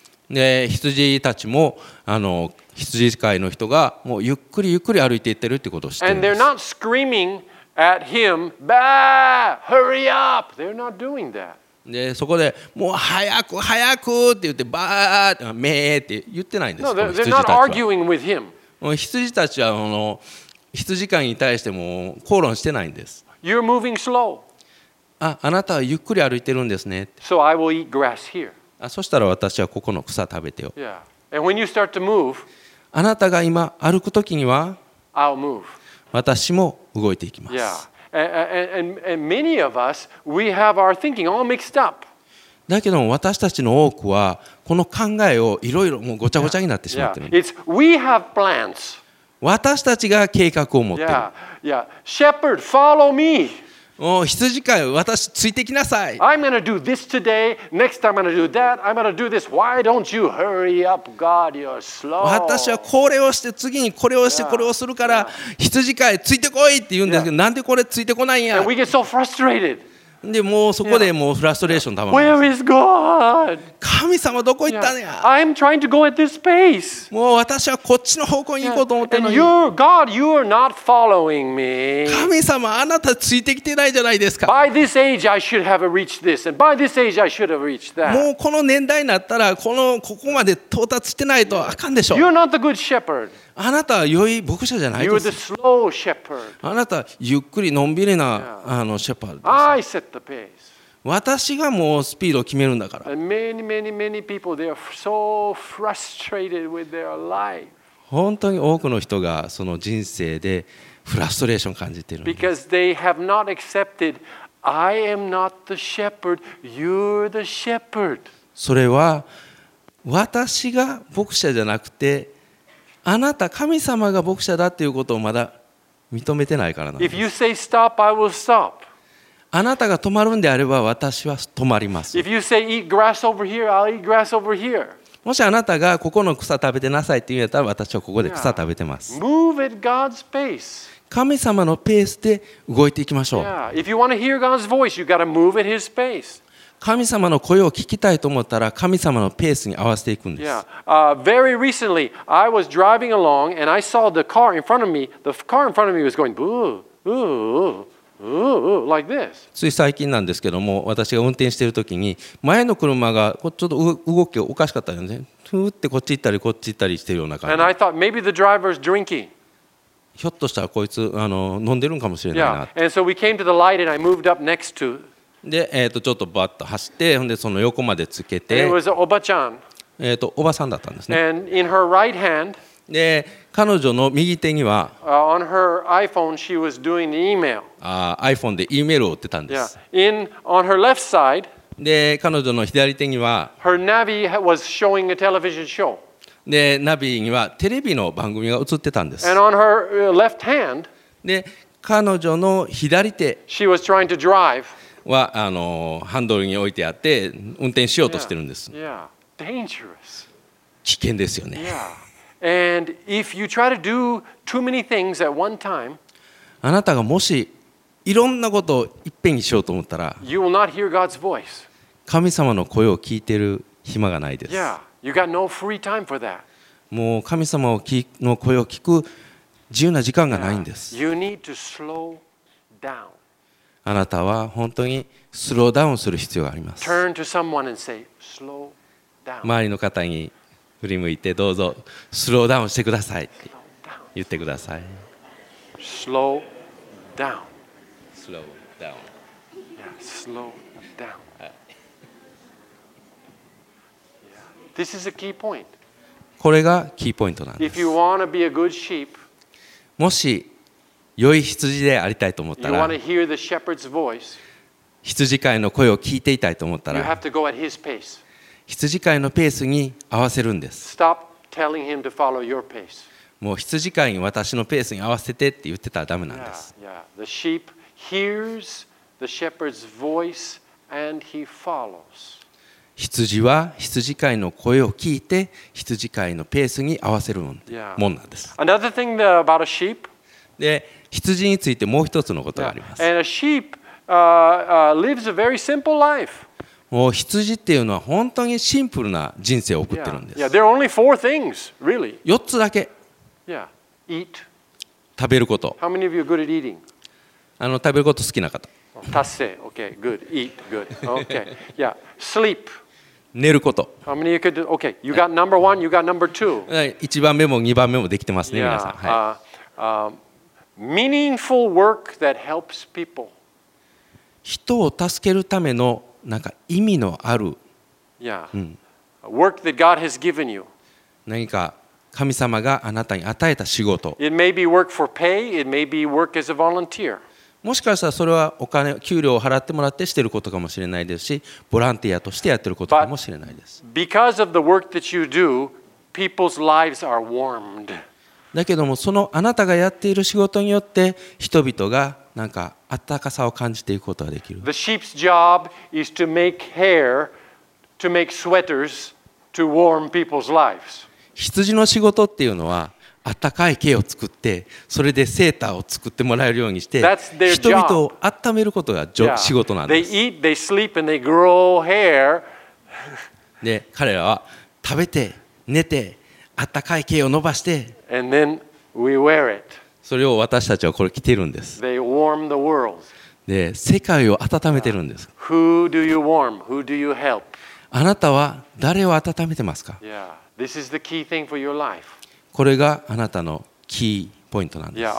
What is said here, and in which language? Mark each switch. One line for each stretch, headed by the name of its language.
Japanese: で、羊たちも、羊飼いの人がもうゆっくりゆっくり歩いていってるってことを知っています。
English: And they're not screaming at him, "Bah! Hurry up!" They're not doing that.
Japanese: でそこでもう早く早くって言ってバーッめーって言ってないんです。
English: No, they're not arguing with him.
Japanese: 羊たちは羊飼いに対しても口論してないんです。
English: You're moving slow.
Japanese: あなたはゆっくり歩いてるんですね。
English: So I will eat grass here.
Japanese: そしたら私はここの草食べてよ。
English: Yeah. And when you start to move,
Japanese: あなたが今歩くときには
English: I'll move.
Japanese: 私も動いていきます。
English: Yeah. And many of us, we have our thinking all mixed up.
Japanese: だけども私たちの多くはこの考えをいろいろもうごちゃごちゃになってしまってる。
English: It's we have plans.
Japanese: 私たちが計画を持ってる。
English: Yeah. Shepherd, follow me.
Japanese: もう羊飼い、私ついてきなさい。
English: I'm gonna do this today. Next time I'm gonna do that. I'm gonna do this. Why don't you hurry up, God? You're slow.
Japanese: 私はこれをして次にこれをしてこれをするから羊飼いついてこいって言うんですけど、なんでこれついてこないんや。
English: And we get so frustrated.
Japanese: でもうそこでもうフラストレーションたま
English: る。Where is God?
Japanese: 神様どこ行ったんや。
English: I'm trying to go at this pace.
Japanese: もう私はこっちの方向に行こうと思ってるのに。
English: And you're God. You are not following me.
Japanese: 神様あなたついてきてないじゃないですか。
English: By this age, I should have reached this, and by this age, I should have reached that.
Japanese: もうこの年代になったらここまで到達してないとあかんでしょう。
English: You're not the good shepherd.
Japanese: あなたは良い牧者じゃないです。
English: You're the slow shepherd.
Japanese: あなたゆっくりのんびりなシェパードです。
English: I set the pace.
Japanese: 私がもうスピードを決めるんだから。
English: Many, many, many people, they are so frustrated with their life.
Japanese: 本当に多くの人がその人生でフラストレーションを感じているんです。
English: Because they have not accepted, I am not the shepherd, you're the shepherd.
Japanese: それは私が牧者じゃなくて、あなた神様が牧者だっていうことをまだ認めてないからなんです。
English: If you say stop, I will stop.
Japanese: あなたが止まるんであれば私は止まります。
English: If you say, eat grass over here, I'll eat grass over here.
Japanese: もしあなたがここの草食べてなさいって言ったら私はここで草食べてます。
English: Yeah. Move at God's pace.
Japanese: 神様のペースで動いていきましょう。
English: Yeah. If you want to hear God's voice, you've got to move at his pace.
Japanese: 神様の声を聞きたいと思ったら神様のペースに合わせていくんです。
English: Yeah. Very recently, I was driving along and I saw the car in front of me. The car in front of me was going, boo, boo. Like、this.
Japanese: つい最近なんですけども私が運転しているときに前の車がちょっと動きがおかしかったんですね。ふーってこっち行ったりこっち行ったりしているような感じ。
English: And I thought maybe the driver's drinking.
Japanese: ひょっとしたらこいつ飲んでるんかもしれないな。
English: Yeah. And so we came to the light and I moved up next to.
Japanese: で、ちょっとバッと走ってほんでその横までつけて
English: It was
Japanese: おばちゃん。おばさんだったんですね。
English: And in her right hand.
Japanese: で彼女の右手には
English: on her iPhone, she was doing the email.
Japanese: iPhone で E メールを打ってたんです。
English: Yeah. In, on her left side,
Japanese: で彼女の左手には
English: her Navi was showing a television show.
Japanese: でナビにはテレビの番組が映ってたんです。
English: And on her left hand,
Japanese: で彼女の左手
English: she was trying to drive.
Japanese: はハンドルに置いてあって運転しようとしてるんです。
English: Yeah. Yeah. Dangerous.
Japanese: 危険ですよね。
English: Yeah. And if you try to do too many things at one time,
Japanese: あなたがもしいろんなことをいっぺんにしようと思ったら、
English: you will not hear God's voice.
Japanese: 神様の声を聞いてる暇がないです。
English: Yeah, you got no free time for that.
Japanese: もう神様の声を聞く自由な時間がないんです。
English: Yeah, you need to slow down.
Japanese: あなたは本当にスローダウンする必要があります。
English: Turn to someone and say, slow down.
Japanese: 周りの方に。振り向いてどうぞスローダウンしてくださいって言ってください。スローダウン、スローダウン、スローダウン。
English: This is a key point.
Japanese: これがキーポイントなんです。
English: If you want to be a good sheep,
Japanese: もし良い羊でありたいと思ったら、
English: you want to hear the shepherd's voice,
Japanese: 羊飼いの声を聞いていたいと思ったら、
English: you have to go at his pace.
Japanese: 羊飼いのペースに合わせるんです。
English: Stop telling him to follow your pace.
Japanese: もう羊飼いに私のペースに合わせてって言ってたらダメなんです。
English: Yeah, yeah. The sheep hears the shepherd's voice and he follows.
Japanese: 羊は羊飼いの声を聞いて羊飼いのペースに合わせるもんなんです。
English: Yeah. Another thing about a sheep.
Japanese: で、羊についてもう一つのことがあります。
English: Yeah. And a sheep, lives a very simple life.
Japanese: もう羊っていうのは本当にシンプルな人生を送ってるんです。
English: Yeah. Yeah. There are only four things, really.
Japanese: 4つだけ。
English: Yeah. Eat.
Japanese: 食べること。
English: How many of you are good at eating?
Japanese: 食べること好きな方。達成。
English: Okay, good. Eat, good. Okay. Yeah. Sleep.
Japanese: 寝ること。
English: How many you could do? Okay. You got number one. You got number two.
Japanese: 一番目も二番目もできてますね、皆さん。はい。
English: Meaningful work that helps people.
Japanese: 人を助けるためのなんか意味のある。
English: Yeah. Work that God has given you.
Japanese: 何か神様があなたに与えた仕事。
English: It may be work for pay. It may be work as a volunteer.
Japanese: もしかしたらそれはお金、給料を払ってもらってしていることかもしれないですし、ボランティアとしてやっていることかもしれないです。
English: Because of the work that you do, people's lives are warmed.
Japanese: だけども、そのあなたがやっている仕事によって、人々がなんか温かさを感じていくことができる。
English: The sheep's job is to make hair, to make sweaters, to warm people's lives.
Japanese: 羊の仕事っていうのは、温かい毛を作って、それでセーターを作ってもらえるようにして、人々を温めることが仕事なんです。
English: They eat, they sleep, and they grow hair.
Japanese: で、彼らは食べて、寝て、温かい毛を伸ばして、
English: and then we wear it.
Japanese: それを私たちはこれ着てるんです。
English: They warm the world.
Japanese: で、世界を温めてるんです。
English: Who do you warm? Who do you help?
Japanese: あなたは誰を温めてますか?
English: Yeah, this is the key thing for your life.
Japanese: これがあなたのキーポイントなんです。